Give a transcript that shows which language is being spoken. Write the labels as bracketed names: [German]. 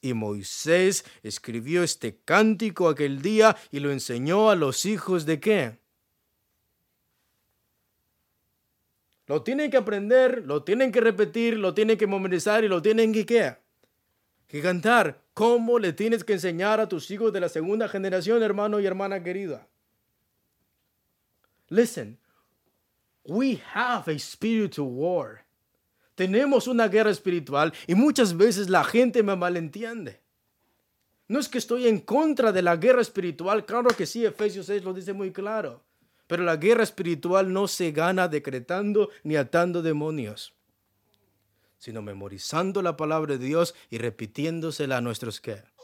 [Spanish] Y Moisés escribió este cántico aquel día y lo enseñó a los hijos de ¿qué? Lo tienen que aprender, lo tienen que repetir, lo tienen que memorizar y lo tienen que ¿qué? Que cantar. ¿Cómo le tienes que enseñar a tus hijos de la segunda generación, hermano y hermana querida? [English] Listen, we have a spiritual war. [Spanish] Tenemos una guerra espiritual y muchas veces la gente me malentiende. No es que estoy en contra de la guerra espiritual. Claro que sí, Efesios 6 lo dice muy claro. Pero la guerra espiritual no se gana decretando ni atando demonios, sino memorizando la palabra de Dios y repitiéndosela a nuestros ¿qué?